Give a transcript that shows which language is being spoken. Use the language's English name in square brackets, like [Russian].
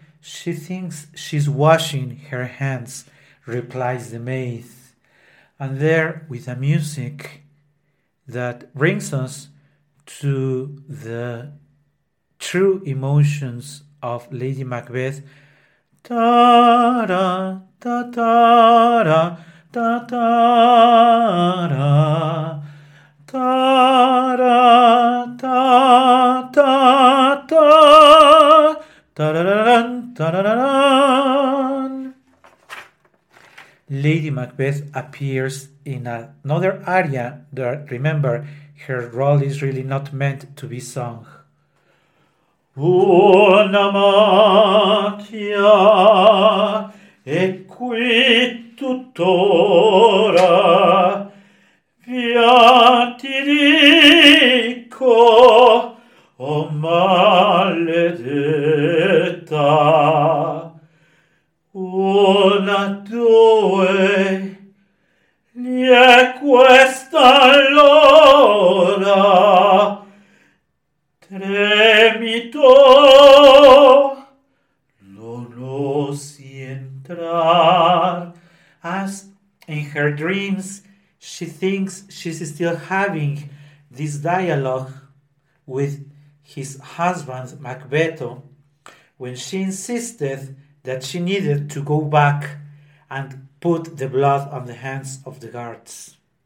[English] She thinks she's washing her hands, replies the maid. And there, with the music that brings us to the true emotions of Lady Macbeth. Ta-da, ta-ta-da, ta-ta-da, ta-da, ta-ta-da, ta-da-da-dan, ta-da-da-dan. Lady Macbeth appears in another aria that, remember, her role is really not meant to be sung. [Italian] Una macchia è qui tuttora, via ti dico, o maledetta. Una, due, gli è questa l'ora, tremito non osi entrar. [English] As in her dreams she thinks she's still having this dialogue with his husband Macbeth, when she insisted that she needed to go back and put the blood on the hands of the guards.